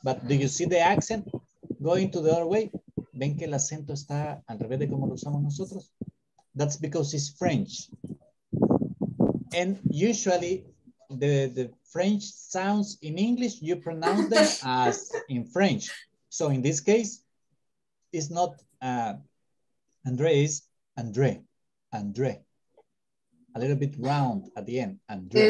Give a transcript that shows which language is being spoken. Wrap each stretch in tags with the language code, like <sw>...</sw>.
<en>But do you see the accent going to the other way?</en> <es>¿Ven que el acento está al revés de como lo usamos nosotros?</es> <en>That's because it's French. And usually, the French sounds in English, you pronounce them as in French. So in this case, it's not André, it's André. André. A little bit round at the end. André.</en>